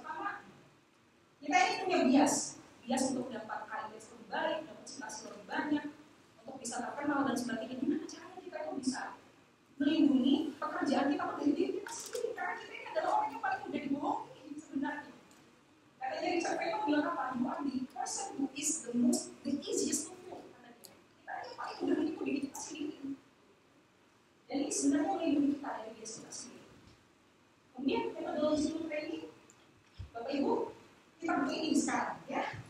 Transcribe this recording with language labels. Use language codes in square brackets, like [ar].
[id] Pertama, kita ini punya bias. Bias untuk dapat kalibrasi lebih baik, dapat citasi lebih banyak, untuk bisa terkenal dan sebagainya. Gimana cara? Bisa melindungi pekerjaan kita dari diri kita sendiri karena kita ini adalah orang yang paling mudah dibohongi sebenarnya. Katanya Richard Feynman bilang apa? [en] You are the person who is the easiest to fool. [id] Kita ini paling mudah menipu diri kita sendiri. Dan ini sebenarnya melindungi kita dari diri kita sendiri. Kemudian kita dalam sebelum ini, Bapak Ibu, kita butuh ini sekarang, ya.